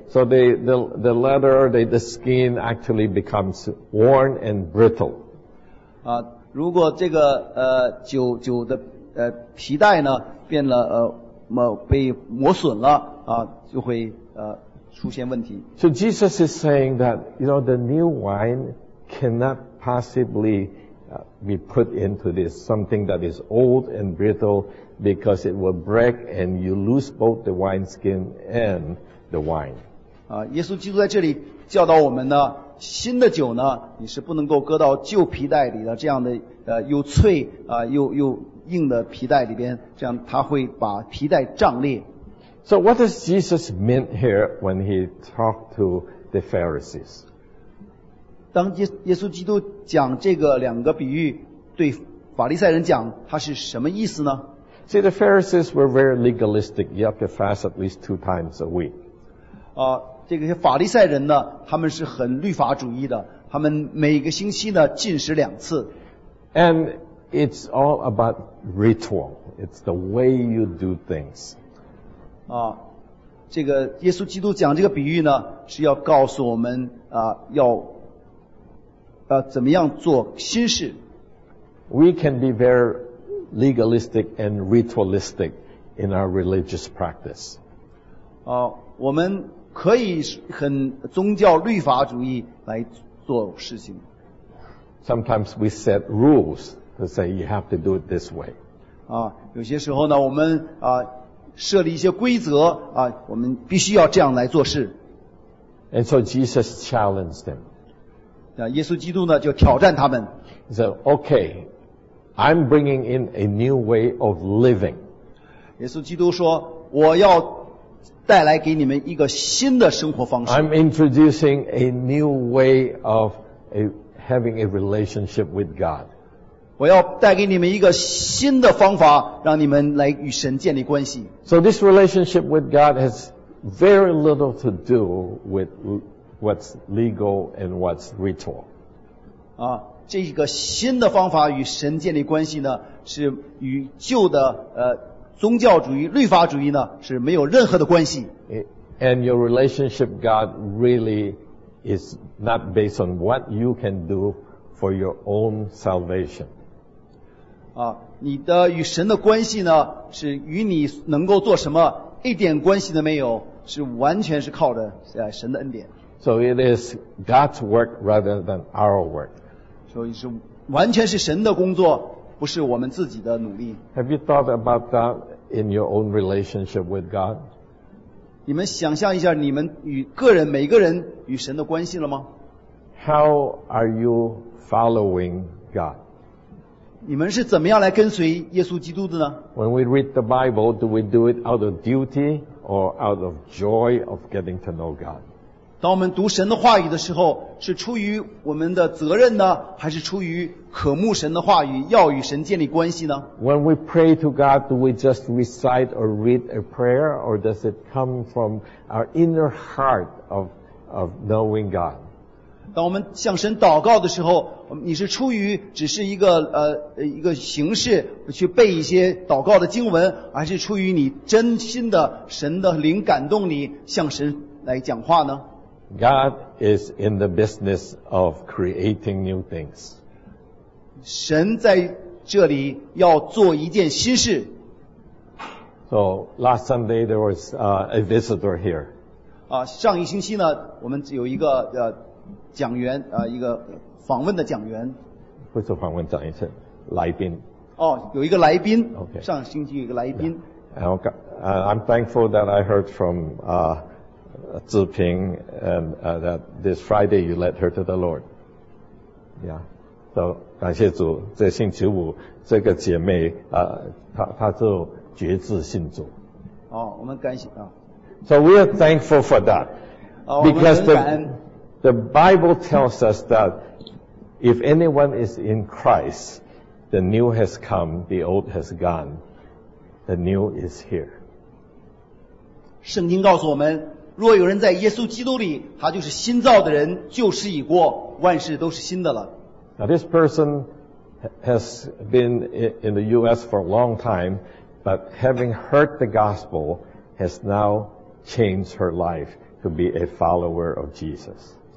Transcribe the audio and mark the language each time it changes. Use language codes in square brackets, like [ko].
[en] So the leather, the skin actually becomes worn and brittle. [zh] 如果这个酒的皮带呢变了被磨损了就会出现问题。 [en] So Jesus is saying that, you know, the new wine cannot possibly be put into this something that is old and brittle. Because it will break and you lose both the wineskin and the wine. [zh] 耶稣基督在这里教导我们呢，新的酒呢，你是不能够搁到旧皮袋里的，这样的又脆又硬的皮袋里边，这样它会把皮袋胀裂。 [en] So what does Jesus mean here when he talked to the Pharisees? [zh] 当耶稣基督讲这个两个比喻，对法利赛人讲，他是什么意思呢？ [en] See, the Pharisees were very legalistic. You have to fast at least two times a week. [zh] 这个法利赛人呢，他们是很律法主义的，他们每个星期呢禁食两次。 [en] And it's all about ritual. It's the way you do things. [zh] 这个耶稣基督讲这个比喻呢，是要告诉我们要怎么样做新事。 [en] We can be very legalistic and ritualistic in our religious practice. [zh] 我们可以很宗教律法主义来做事情。 [en] Sometimes we set rules to say you have to do it this way. [zh] 啊，有些时候呢，我们啊设立一些规则啊，我们必须要这样来做事。 [en] And so Jesus challenged them. [zh] 啊，耶稣基督呢就挑战他们。 [en] He said, "Okay, I'm bringing in a new way of living." [zh] 耶稣基督说，我要带来给你们一个新的生活方式。 [en] I'm introducing a new way of having a relationship with God. [zh] 我要带给你们一个新的方法，让你们来与神建立关系。 [en] So this relationship with God has very little to do with what's legal and what's ritual. [zh] 啊，这个新的方法与神建立关系呢，是与旧的宗教主义、律法主义呢是没有任何的关系。 [en] And your relationship with God really is not based on what you can do for your own salvation. [zh] 啊，你的与神的关系呢，是与你能够做什么一点关系都没有，是完全是靠着神的恩典。 [en] So it is God's work rather than our work. [zh] 所以是完全是神的工作。不是我们自己的努力。 [en] Have you thought about that in your own relationship with God? [zh] 你们想象一下，你们与个人每个人与神的关系了吗 [en] ？How are you following God? [zh] 你们是怎么样来跟随耶稣基督的呢 [en] ？When we read the Bible, do we do it out of duty or out of joy of getting to know God? [zh] 当我们读神的话语的时候，是出于我们的责任呢，还是出于？渴慕神的话语，要与神建立关系呢 [en] ？When we pray to God, do we just recite or read a prayer, or does it come from our inner heart of knowing God? [zh] 当我们向神祷告的时候，你是出于只是一个一个形式去背一些祷告的经文，还是出于你真心的神的灵感动你向神来讲话呢 [en] ？God is in the business of creating new things. [zh] 神在这里要做一件新事。 [en] So last Sunday there was a visitor here. [zh] 啊，上一星期呢，我们有一个讲员一个访问的讲员。不是访问讲员，是来宾。哦，有一个来宾。 [en] Okay. [zh] 上星期有一个来宾。 [en] I'm thankful that I heard from Zi Ping and that this Friday you led her to the Lord. Yeah. [zh] So, 感谢主，这星期五这个姐妹她就决志信主。哦，我们感谢啊。 [en] So we are thankful for that. Because the Bible tells us that if anyone is in Christ, the new has come, the old has gone, the new is here. 圣经告诉我们，若有人在耶稣基督里，他就是新造的人，旧事已过，万事都是新的了。 Now this person has been in the U.S. for a long time, but having heard the gospel has now changed her life to be a follower of Jesus.